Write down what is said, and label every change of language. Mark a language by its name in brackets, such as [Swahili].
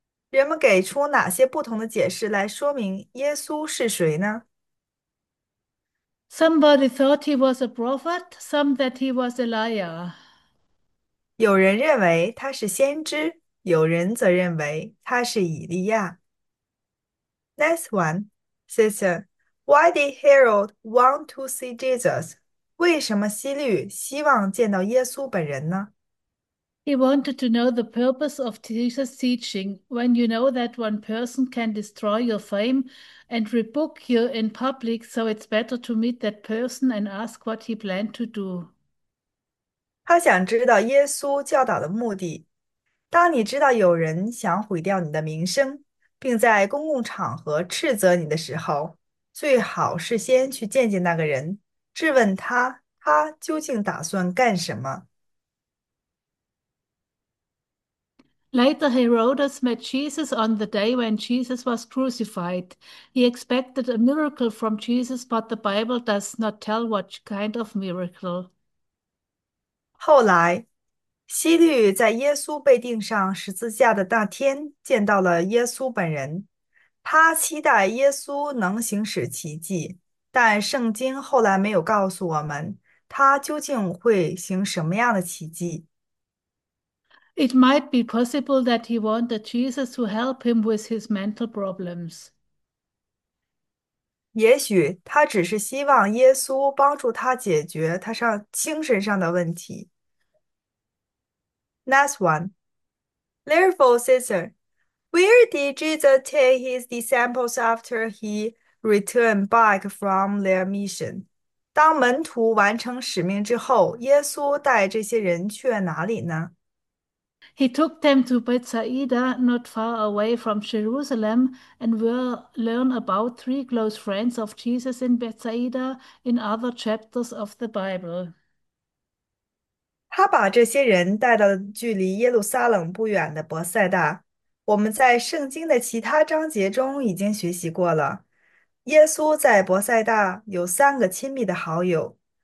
[Chinese] 人们给出哪些不同的解释来说明耶稣是谁呢？ [English] Somebody thought he was a prophet, some that he was a liar. [Chinese] 有人认为他是先知，有人则认为他是以利亚。 [English] Next one, sister, why did Herod want to see Jesus? [Chinese] 为什么希律希望见到耶稣本人呢？ [English] He wanted to know the purpose of Jesus' teaching. When you know that one person can destroy your fame and rebuke you in public, so it's better to meet that person and ask what he planned to do. [Chinese] 他想知道耶稣教导的目的。当你知道有人想毁掉你的名声，并在公共场合斥责你的时候，最好是先去见见那个人，质问他，他究竟打算干什么。 [English] Later, Herodias met Jesus on the day when Jesus was crucified. He expected a miracle from Jesus, but the Bible does not tell what kind of miracle. [Chinese] 后来，希律在耶稣被钉上十字架的那天见到了耶稣本人。他期待耶稣能行使奇迹，但圣经后来没有告诉我们他究竟会行什么样的奇迹。 [English] It might be possible that he wanted Jesus to help him with his mental problems. [Chinese] 也许他只是希望耶稣帮助他解决他上精神上的问题。 [English] Next one. Therefore, sister, where did Jesus take his disciples after he returned back from their mission? [Chinese] 当门徒完成使命之后，耶稣带这些人去了哪里呢？ [English] He took them to Bethsaida, not far away from Jerusalem, and we'll learn about three close friends of Jesus in Bethsaida in other chapters of the Bible. [Chinese] 他把这些人带到距离耶路撒冷不远的伯塞大。我们在圣经的其他章节中已经学习过了。耶稣在伯塞大有三个亲密的好友。